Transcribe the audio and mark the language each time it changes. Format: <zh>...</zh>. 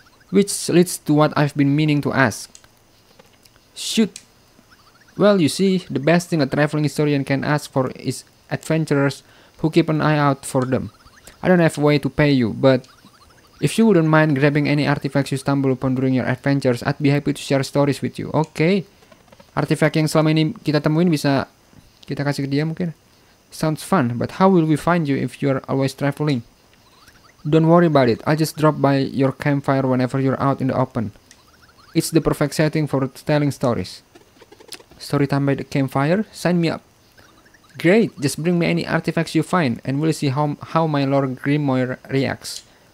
<en>Which leads to what I've been meaning to ask. Shoot. Well, you see, the best thing a traveling historian can ask for is adventurers who keep an eye out for them. I don't have a way to pay you, but if you wouldn't mind grabbing any artifacts you stumble upon during your adventures, I'd be happy to share stories with you. Okay.</en> <id>Artifact yang selama ini kita temuin bisa kita kasih ke dia mungkin.</id> <en>Sounds fun, but how will we find you if you're always traveling? Don't worry about it. I'll just drop by your campfire whenever you're out in the open. It's the perfect setting for telling stories. Story time by the campfire? Sign me up. Great, just bring me any artifacts you find, and we'll see how my Lord Grimoire reacts.</en>